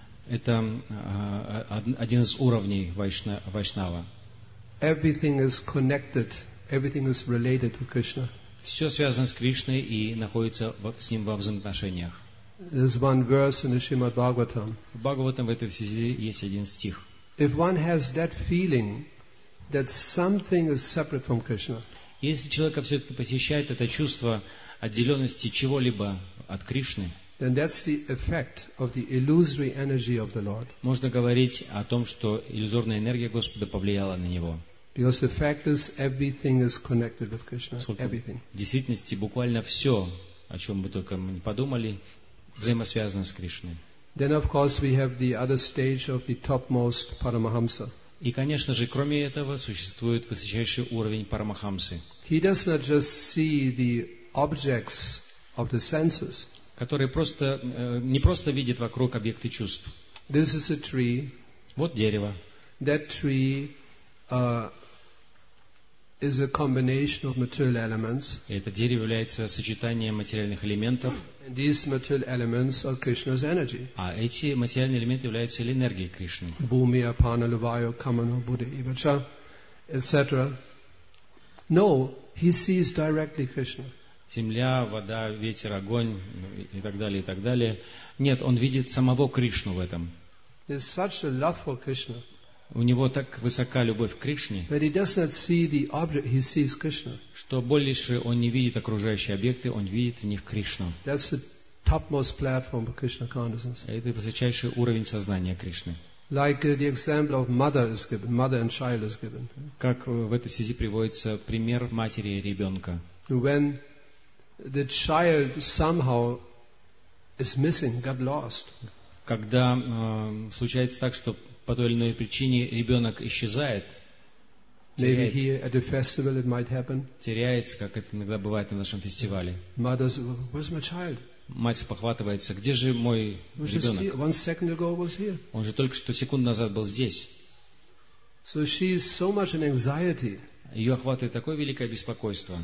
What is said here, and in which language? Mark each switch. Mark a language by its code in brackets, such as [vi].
[ru] Это один из уровней Вайшнава. [en] Everything is connected. Everything is related to Krishna. [ru] Все связано с Кришной и находится с ним во взаимоотношениях. [en] There's one verse in the Srimad Bhagavatam. [ru] В Бхагаватам в этой связи есть один стих. [en] If one has that feeling that something is separate from Krishna. [ru] Если человека все-таки посещает это чувство отделенности чего-либо от Кришны. [en] Then that's the effect of the illusory energy of the Lord. [ru] Можно говорить о том, что иллюзорная энергия Господа повлияла на него. [en] Because the fact is, everything is connected with Krishna. Everything. [ru] В действительности, буквально все, о чем бы только мы ни подумали, взаимосвязано с Кришной. [en] Then, of course, we have the other stage of the topmost Paramahamsa. [ru] И, конечно же, кроме этого, существует высочайший уровень Парамахамсы. [en] He does not just see the objects of the senses. [ru] Который просто, не просто видит вокруг объекты чувств. [en] This is a tree. [ru] Вот дерево. [en] That tree is a combination of material elements. [ru] Это дерево является сочетанием материальных элементов. [en] And these material elements are Krishna's energy. [ru] А эти материальные элементы являются энергией Кришны. [sa] Bhumi, apana, luvayo, kamano, buddha, ivacha, [en] etc. No, he sees directly Krishna. [ru] Земля, вода, ветер, огонь и так далее, и так далее. Нет, он видит самого Кришну в этом. [en] There's such a love for Krishna. [ru] У него так высока любовь к Кришне, [en] but he does not see the object, he sees Krishna. [ru] Что больше он не видит окружающие объекты, он видит в них Кришну. [en] That's the topmost platform of Krishna consciousness. [ru] Это высочайший уровень сознания Кришны. [en] Like the example of mother is given, mother and child is given. [ru] Как в этой связи приводится пример матери и ребенка. [en] When the child somehow is missing, got lost. [ru] Когда случается так, что по той или иной причине ребенок исчезает, [en] maybe here at the festival it might happen. [ru] Теряется, как это иногда бывает на нашем фестивале. [en] Mother says, "Where's my child?" [ru] Мать похватывается, где же мой ребенок? Он же только что секунду назад был здесь. Ее охватывает такое великое беспокойство.